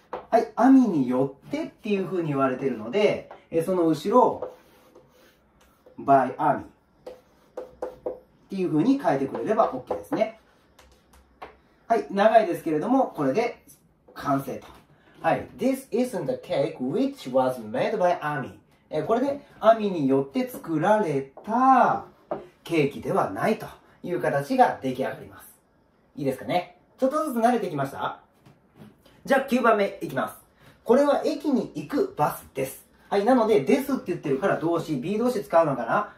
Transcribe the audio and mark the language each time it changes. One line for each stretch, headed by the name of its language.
Japanese: はい、網によってっていう風に言われてるので、その後ろ by 網っていう風に変えてくれれば OK ですね。はい、長いですけれどもこれで完成と。
English: はい、 This isn't a cake which was made by 網。
Japanese: これで、アミによって作られたケーキではないという形が出来上がります。いいですかね。ちょっとずつ慣れてきました？じゃあ9番目いきます。これは駅に行くバスです。はい、なので、ですって言ってるから動詞、B 動詞使うのかな？